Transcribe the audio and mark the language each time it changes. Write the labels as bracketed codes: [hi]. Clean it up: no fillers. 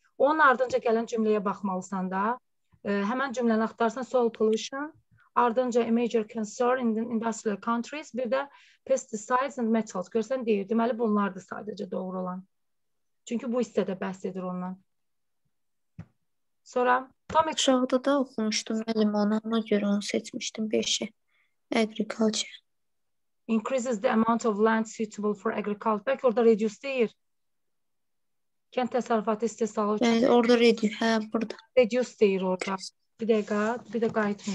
[az] Onun ardınca gələn cümləyə baxmalısan da, həmən cümləni axtarsan, [en] soil pollution, [az] ardınca [en] a major concern in the industrial countries, [az] bir də [en] pesticides and metals. [az] Görsən, deyir, deməli, bunlardır sadəcə doğru olan. Çünki bu hissədə bəhs edir ondan. Sonra tam uşaqda da oxumuşdum əlim ona, ona görə onu seçmişdim 5-i. [en] Agriculture. Increases the amount of land suitable for agriculture. [az] Bəlkə orada reduce deyir. Kənd təsərrüfatı istehsalı üçün. Bəli, orada reduce. Hə, burada. Reduce deyir orada. Bir dəqiqə, bir də qayıtmayın.